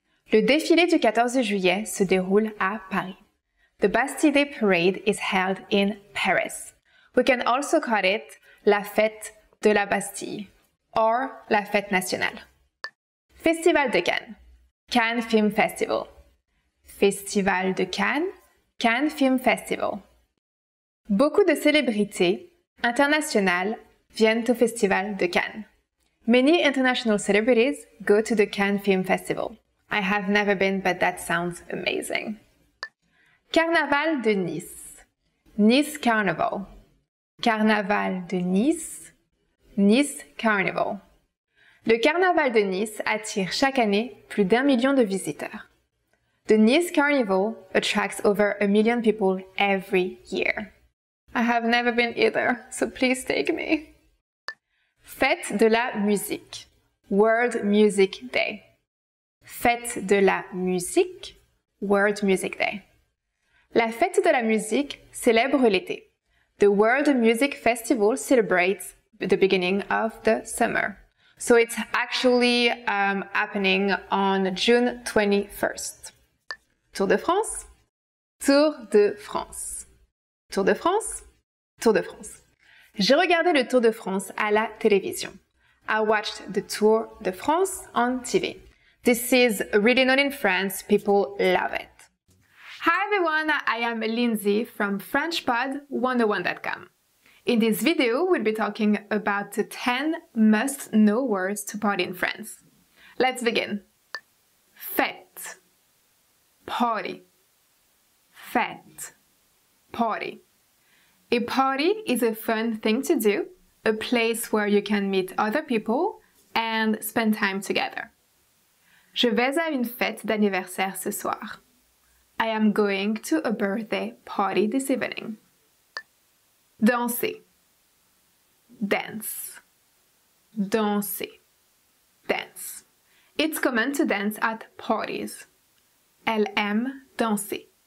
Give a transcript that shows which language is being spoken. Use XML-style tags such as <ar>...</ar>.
<fr>Le défilé du 14 juillet se déroule à Paris.</fr> <en>The Bastille Day Parade is held in Paris. We can also call it la fête de la Bastille or la fête nationale. Festival de Cannes, Cannes Film Festival. Festival de Cannes, Cannes Film Festival.</en> <fr>Beaucoup de célébrités internationales viennent au Festival de Cannes.</fr> <en>Many international celebrities go to the Cannes Film Festival. I have never been, but that sounds amazing. Carnaval de Nice. Nice Carnival. Carnaval de Nice. Nice Carnival.</en> <fr>Le Carnaval de Nice attire chaque année plus d'un million de visiteurs.</fr> <en>The Nice Carnival attracts over a million people every year. I have never been either, so please take me. Fête de la musique, World Music Day. Fête de la musique, World Music Day.</en> <fr>La fête de la musique célèbre l'été.</fr> <en>The World Music Festival celebrates the beginning of the summer. So it's actually happening on June 21st. Tour de France, Tour de France, Tour de France, Tour de France.</en> <fr>J'ai regardé le Tour de France à la télévision.</fr> <en>I watched the Tour de France on TV. This is really known in France. People love it. Hi everyone, I am Lindsay from FrenchPod101.com. In this video, we'll be talking about the 10 must-know words to party in France. Let's begin. Fête. Party. Fête. Party. A party is a fun thing to do, a place where you can meet other people and spend time together.</en> <fr>Je vais à une fête d'anniversaire ce soir.</fr> <en>I am going to a birthday party this evening. Danser. Dance. Danser. Dance. It's common to dance at parties.</en> <fr>Elle aime danser.</fr>